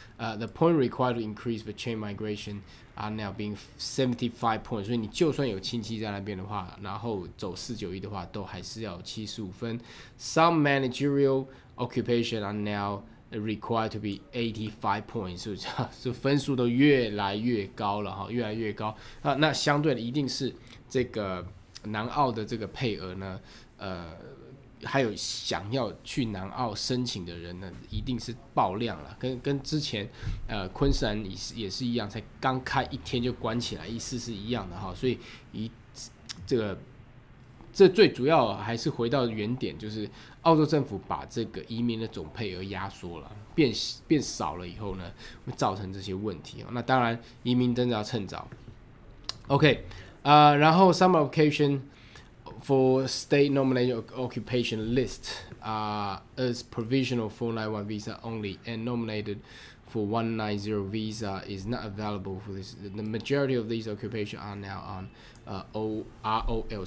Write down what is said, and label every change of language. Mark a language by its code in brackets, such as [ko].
[en] The point required to increase the chain migration are now being 75 points。 [zh] 所以你就算有亲戚在那边的话，然后走491的话，都还是要75分。 [en] Some managerial occupation are now required to be 85 points。 [zh] 所以这分数都越来越高了哈，越来越高。那相对的一定是这个南澳的这个配额呢，还有想要去南澳申请的人呢，一定是爆量了。跟之前，昆士兰也是一样，才刚开一天就关起来，意思是一样的哈。所以这最主要还是回到原点，就是澳洲政府把这个移民的总配额压缩了，变少了以后呢，会造成这些问题哦。那当然，移民真的要趁早。 OK， 然后 summer vacation。 [en] For state nominated occupation list, is provisional 491 visa only, and nominated for 190 visa is not available for this. The majority of these occupations are now on ROL.